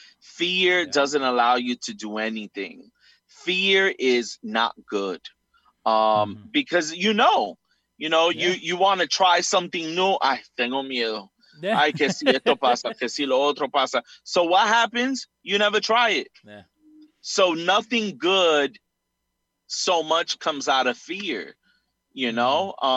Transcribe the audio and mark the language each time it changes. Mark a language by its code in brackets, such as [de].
[en] Fear doesn't allow you to do anything. Fear is not good because, you know, yeah. you want to try something new. [es] Ay, tengo miedo. Yeah. Ay, que si esto pasa, que si lo otro pasa. [en] So what happens? You never try it. Yeah. So nothing good so much comes out of fear, you know?